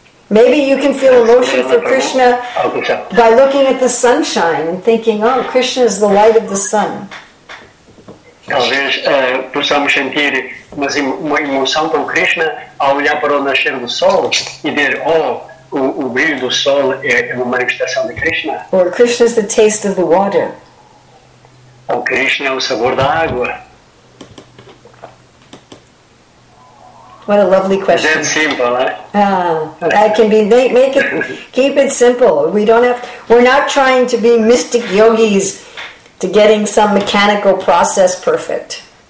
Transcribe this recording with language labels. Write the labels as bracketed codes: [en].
[en] Maybe you can feel emotion for Krishna by looking at the sunshine and thinking, oh, Krishna is the light of the sun. [pt] Talvez possamos sentir uma emoção com Krishna ao olhar para o nascer do sol e dizer, oh, o brilho do sol é uma manifestação de Krishna. [en] Or Krishna is the taste of the water. [pt] Ou Krishna é o sabor da água. [en] What a lovely question. It's simple, eh? That can be, make it, keep it simple. We're not trying to be mystic yogis to getting some mechanical process perfect.